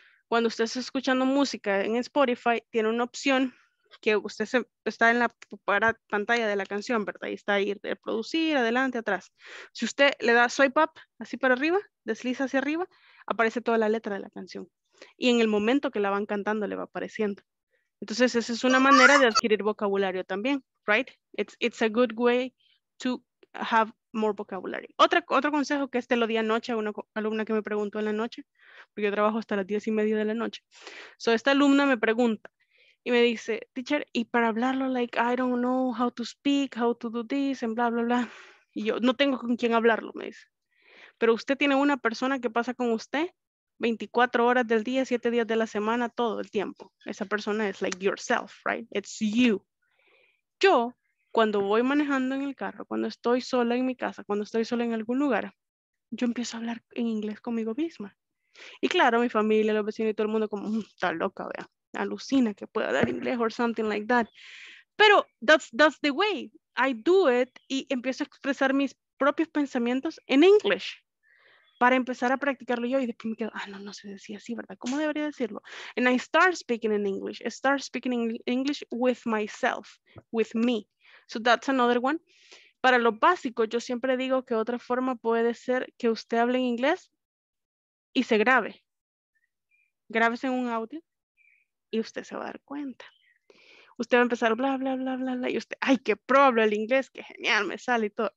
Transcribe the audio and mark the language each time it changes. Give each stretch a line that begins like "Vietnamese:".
Spanish: cuando usted está escuchando música en Spotify, tiene una opción que usted se, está en la para pantalla de la canción, ¿verdad? Y está ahí, reproducir, adelante, atrás. Si usted le da swipe up, así para arriba, desliza hacia arriba, aparece toda la letra de la canción. Y en el momento que la van cantando, le va apareciendo. Entonces, esa es una manera de adquirir vocabulario también, right?
English: It's a good way to have more vocabulary.
Spanish: Otro consejo que este lo di anoche a una alumna que me preguntó en la noche, porque yo trabajo hasta las 10:30 de la noche.
English: So,
Spanish: esta alumna me pregunta y me dice,
English: teacher,
Spanish: y para hablarlo,
English: like, I don't know how to speak, how to do this, and bla, bla, bla.
Spanish: Y yo, no tengo con quién hablarlo, me dice. Pero usted tiene una persona que pasa con usted 24 horas del día, 7 días de la semana, todo el tiempo. Esa persona es
English: like yourself, right? It's you.
Spanish: Yo, cuando voy manejando en el carro, cuando estoy sola en mi casa, cuando estoy sola en algún lugar, yo empiezo a hablar en inglés conmigo misma. Y claro, mi familia, los vecinos y todo el mundo como, está loca, vea, alucina que pueda hablar inglés
English: or something like that.
Spanish: Pero
English: that's the way I do it,
Spanish: y empiezo a expresar mis propios pensamientos en inglés. Para empezar a practicarlo yo, y después me quedo, ah, no, no se decía así, ¿verdad? ¿Cómo debería decirlo?
English: And I start speaking in English. I start speaking in English with myself, with me. So that's another one.
Spanish: Para lo básico, yo siempre digo que otra forma puede ser que usted hable en inglés y se grabe. Grábese en un audio y usted se va a dar cuenta. Usted va a empezar bla, bla, bla, bla, bla, y usted, ay, qué pro hablo el inglés, qué genial me sale y todo.